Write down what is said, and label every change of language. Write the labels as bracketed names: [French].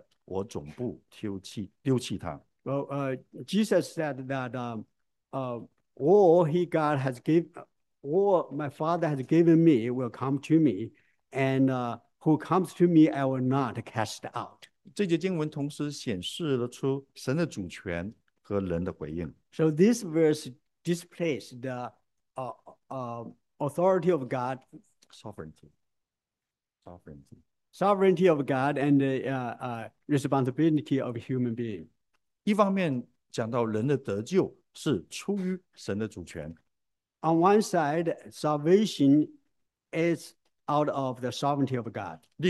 [Chinese] 凡父所赐给我的人，必到我这里来。到我这里来的，我总不丢弃他。 [English] Well, Jesus said that all he God has given, all my Father has given me will come to me, and who comes to me I will not cast out. [Chinese] 这节经文同时显示了出神的主权和人的回应。 [English] So this verse displays the authority of God, sovereignty of God, and the responsibility of a human being. [Chinese] 一方面讲到人的得救是出于神的主权。 [English] On one side, salvation is out of the sovereignty of God.